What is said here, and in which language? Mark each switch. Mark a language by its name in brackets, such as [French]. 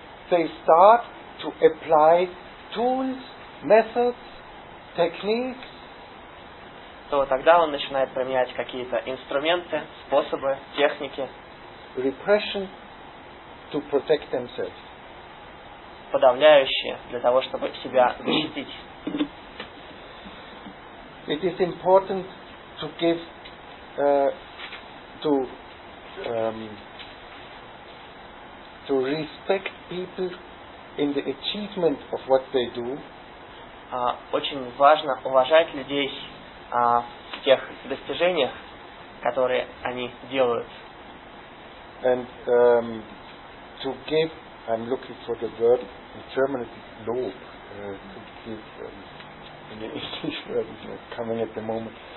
[English] they start to apply tools, methods, techniques, [Russian] то тогда он начинает применять какие-то инструменты, способы, техники, [English] repression to protect themselves. [Russian] Подавляющие для того, чтобы себя защитить. [English] It is important to give to respect people in the achievement of what they do. [Russian] Очень важно уважать людей в тех достижениях, которые они делают. [English] And to give, I'm looking for the word. In German, it's Lob. In the English word, it's not coming at the moment.